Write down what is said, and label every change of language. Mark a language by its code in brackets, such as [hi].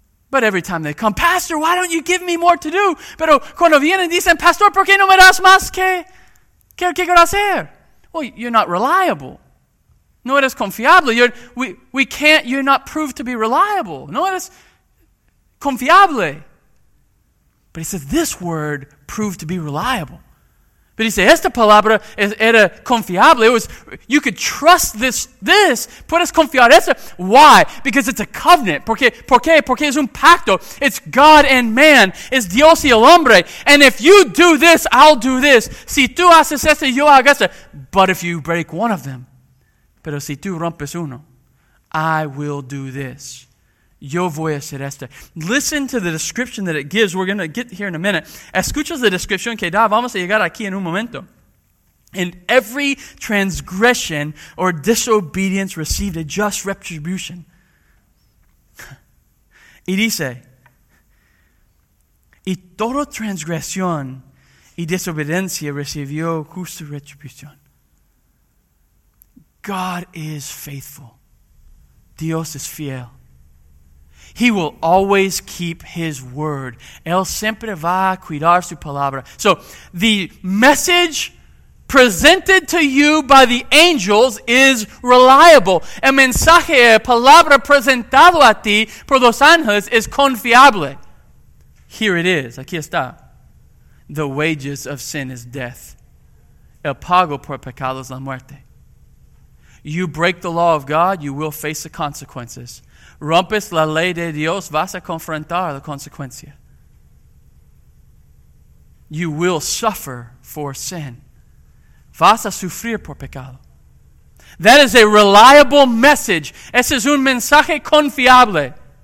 [en] But every time they come, Pastor, why don't you give me more to do? [es] Pero cuando vienen, dicen, Pastor, ¿por qué no me das más que quiero hacer? [en] Well, you're not reliable. [es] No eres confiable. [en] You're not proved to be reliable. [es] No eres confiable. [en] But he says, this word proved to be reliable. But he said, [es] esta palabra era confiable. [en] It was, you could trust this. [es] Puedes confiar esto. [en] Why? Because it's a covenant. [es] ¿Por qué? Porque es un pacto. [en] It's God and man. [es] Es Dios y el hombre. [en] And if you do this, I'll do this. [es] Si tú haces esto, yo hago esto. [en] But if you break one of them, [es] pero si tú rompes uno, [en] I will do this. [es] Yo voy a hacer esto. [en] Listen to the description that it gives. We're going to get here in a minute. [es] Escuchas la descripción que da. Vamos a llegar aquí en un momento. [en] And every transgression or disobedience received a just retribution. [es] Y dice, y toda transgresión y desobediencia recibió justa retribución. [en] God is faithful. [es] Dios es fiel. [en] He will always keep his word. Él siempre va a cuidar su palabra. So, the message presented to you by the angels is reliable. [es] El mensaje, palabra presentado a ti por los ángeles es confiable. [en] Here it is. [es] Aquí está. [en] The wages of sin is death. [es] El pago por pecado es la muerte. [en] You break the law of God, you will face the consequences. [es] Rompes la ley de Dios, vas a confrontar la consecuencia. [en] You will suffer for sin. [es] Vas a sufrir por pecado. [en] That is a reliable message. [es] Ese es un mensaje confiable.